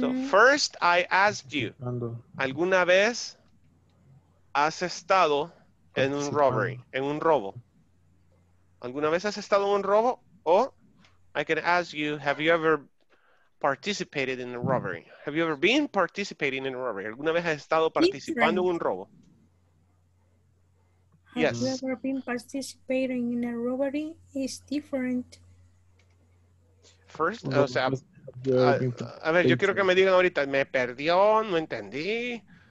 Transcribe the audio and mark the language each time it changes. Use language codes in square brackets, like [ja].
[en] So first I asked you, [es] ¿alguna vez has estado en un robbery, en un robo? ¿Alguna vez has estado en un robo? [en] O I can ask you, have you ever participated in a robbery? Have you ever been participating in a robbery? [es] ¿Alguna vez has estado participando en un robo? [en] Yes. Have you ever been participating in a robbery? Is different. [es] First, o sea, a ver, yo quiero que me digan ahorita, me perdió, no entendí.